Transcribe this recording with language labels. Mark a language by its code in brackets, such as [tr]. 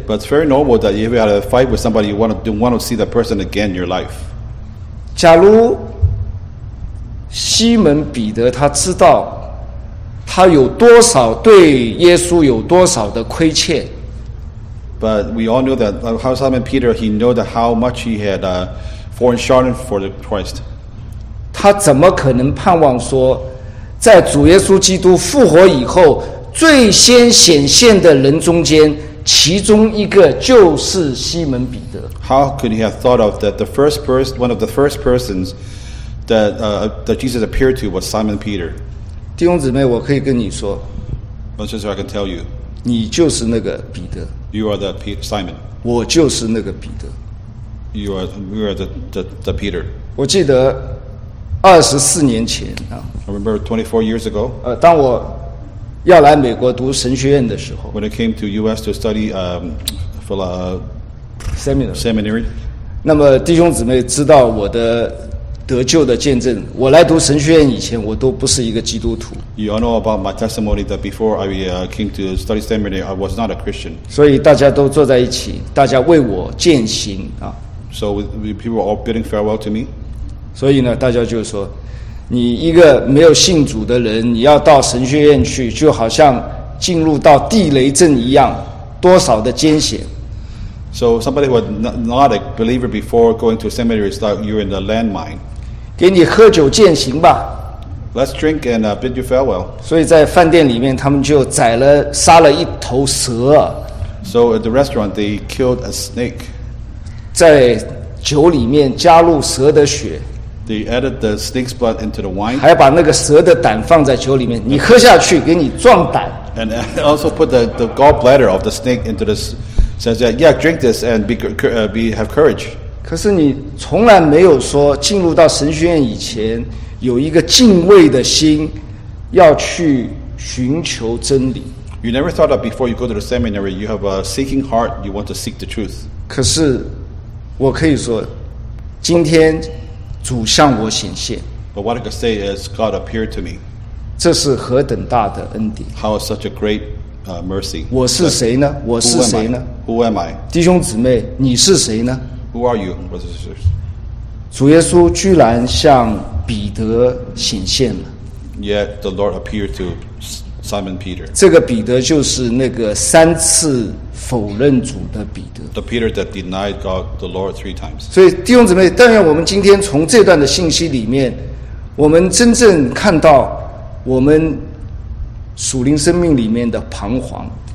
[en] ？But it's very normal that if you had a fight with somebody, you don't want to see that person again in your life. [zh] 假如西门彼得他知道他有多少对耶稣有多少的亏欠 [en] ，But we all know that how Simon Peter he knew that how much he had fallen short for the Christ. [zh] 他怎么可能盼望说？在主耶稣基督复活以后，最先显现的人中间，其中一个就是西门彼得。 [en] How could he have thought of that? The first person, one of the first persons that Jesus appeared to was Simon Peter. [zh] 弟兄姊妹，我可以跟你说 [en] ，My sister, I can tell you， [zh] 你就是那个彼得。 [en] You are the Simon. [zh] 我就是那个彼得。 [en] You are the Peter. [zh] 我记得。24年前 [en] I remember 24 years ago. [zh] 当我要来美国读神学院的时候 [en] ，When I came to U.S. to study for a seminary. [zh] 那么弟兄姊妹知道我的得救的见证。我来读神学院以前，我都不是一个基督徒。 [en] You all know about my testimony that before I came to study seminary, I was not a Christian. [zh] 所以大家都坐在一起，大家为我践行啊。 [en] So people were all bidding farewell to me. [zh] 所以呢，大家就说，你一个没有信主的人，你要到神学院去，就好像进入到地雷阵一样，多少的艰险。 [en] So somebody who not a believer before going to seminary is like you're in the landmine. [zh] 给你喝酒践行吧。 [en] Let's drink and bid you farewell. [zh] 所以在饭店里面，他们就宰了杀了一头蛇。 [en] So at the restaurant they killed a snake. [zh] 在酒里面加入蛇的血。 [en] They added the snake's blood into the wine. [zh] 还把那个蛇的胆放在酒里面，你喝下去给你壮胆。 [en] And also put the gallbladder of the snake into this, says that yeah, drink this and be have courage. [zh] 可是你从来没有说进入到神学院以前有一个敬畏的心，要去寻求真理。 [en] You never thought that before you go to the seminary, you have a seeking heart, you want to seek the truth. [zh] 可是我可以说，今天。主向我显现 [en] But what I can say is God appeared to me. [zh] 这是何等大的恩典 [en] How is such a great mercy? [zh] 我是谁呢？我是谁呢 [en] Who am I? [zh] 弟兄姊妹，你是谁呢 [en] Who are you, brothers and sisters? [zh] 主耶稣居然向彼得显现了 [en] Yet the Lord appeared to Simon Peter. [zh] 这个彼得就是那个三次否认主的彼得 [en] The Peter that denied God the Lord three times. [zh] 所以弟兄姊妹，但愿我们今天从这段的信息里面，我们真正看到我们属灵生命里面的彷徨。